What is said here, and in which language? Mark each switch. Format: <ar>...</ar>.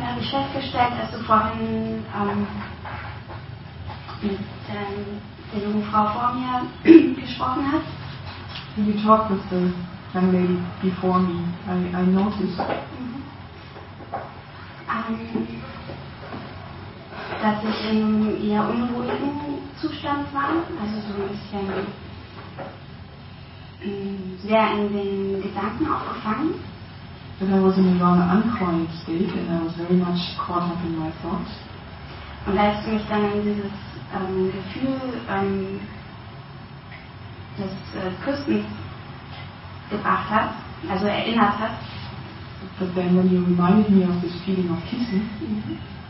<de>Festgestellt, dass du vorhin mit der jungen Frau vor mir gesprochen hast.</de> <en>When you talked with the young lady before me, I noticed.</en> <de>Dass ich in einem eher unruhigen Zustand war, also so ein bisschen sehr in den Gedanken auch gefangen.</de> <en>That I was in a rather unquiet state and I was very much caught up in my thoughts.</en> <de>Und als du mich dann in dieses Gefühl des Küssens gebracht hast, also erinnert hast.</de> <en>But then when you reminded me of this feeling of kissing.</en>